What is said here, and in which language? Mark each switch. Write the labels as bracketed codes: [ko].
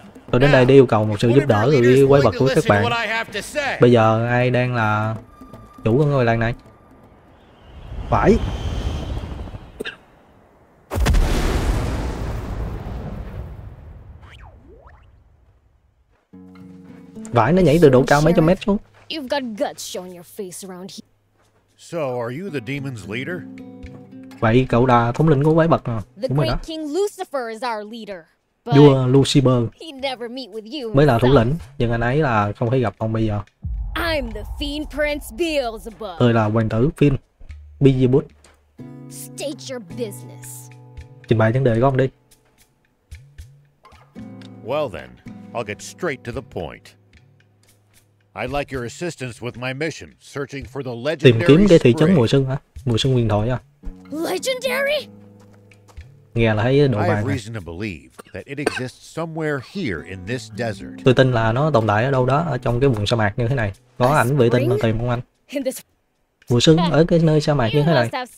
[vi] Tôi đến đây để yêu cầu một sự giúp đỡ từ quái vật của các bạn. Bây giờ ai đang là chủ của ngôi làng này? Phải. Vãi, nó nhảy từ độ cao mấy trăm mét xuống. [en] You've got guts showing your face around here. So, are you the demon's leader? [vi] Vậy cậu là thống lĩnh của quái vật à? Đúng rồi đó. [en] King Lucifer is our leader. [vi] Vua Lucifer mới là thủ lĩnh, nhưng anh ấy là không thể gặp ông bây giờ. [en] I'm the Fiend Prince Beelzebub. [vi] Tôi là hoàng tử Fiend Beelzebub. [en] State your business. [vi] Trình bày vấn đề của ông đi. [en] Well then, I'll get straight to the point. I'd like your assistance with my mission, searching for the legendary. [vi] Tìm kiếm cái thị trấn mùa xuân hả? Mùa xuân huyền thoại à? [en] Legendary. [vi] Nghe là thấy độ [en] vàng. I have reason to believe that it exists somewhere here in this desert. [vi] Tôi tin là nó tồn tại ở đâu đó ở trong cái vùng sa mạc như thế này. Có ảnh vệ tinh mà tìm không anh? Mùa xuân ở cái nơi sa mạc như thế này.